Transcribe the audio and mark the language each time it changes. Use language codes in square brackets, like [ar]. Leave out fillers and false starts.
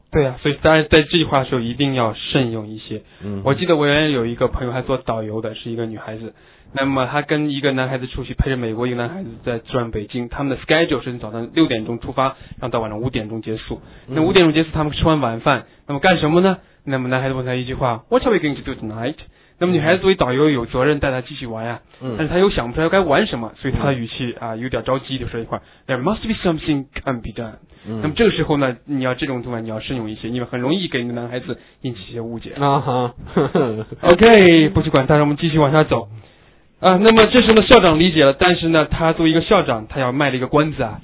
[zh] 对啊，所以当然在这句话的时候一定要慎用一些。嗯，我记得我原来有一个朋友，还做导游的，是一个女孩子。那么他跟一个男孩子出去，陪着美国一个男孩子在转北京，他们的 schedule 是早上六点钟出发，然后到晚上五点钟结束。那五点钟结束，他们吃完晚饭，那么干什么呢？那么男孩子问他一句话 ： [en] What are we going to do tonight？ [zh] 那么女孩子作为导游有责任带他继续玩呀、啊，但是他又想不出来该玩什么，所以他的语气啊有点着急，就说一块 ： [en] There must be something can be done。嗯、 [zh] 那么这个时候呢，你要这种做法你要慎用一些，因为很容易给一个男孩子引起一些误解啊。 OK， 不去管他，让我们继续往下走啊。那么这时候呢，校长理解了，但是呢，他作为一个校长，他要卖了一个关子啊。